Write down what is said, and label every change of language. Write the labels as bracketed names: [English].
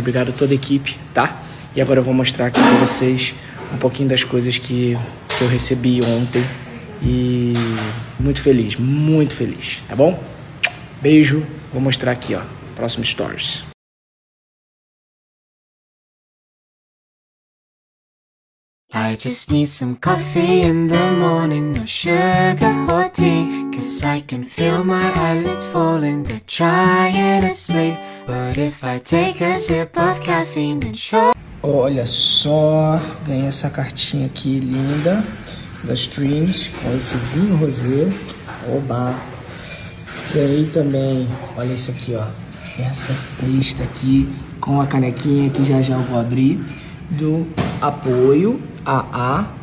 [Portuguese] Obrigado a toda a equipe, tá? E agora eu vou mostrar aqui pra vocês um pouquinho das coisas que eu recebi ontem. E muito feliz, tá bom? Beijo, vou mostrar aqui, ó, próximo stories. [English] I just need some coffee in the morning, no sugar or tea, 'cause I can feel my eyelids falling, they're trying to sleep, but if I take a sip of caffeine, then sure. [Portuguese] Olha só, ganhei essa cartinha aqui linda da Streams, com esse vinho rosé. Oba! Ganhei também, olha isso aqui, ó, essa cesta aqui com a canequinha que já eu vou abrir, do apoio AA.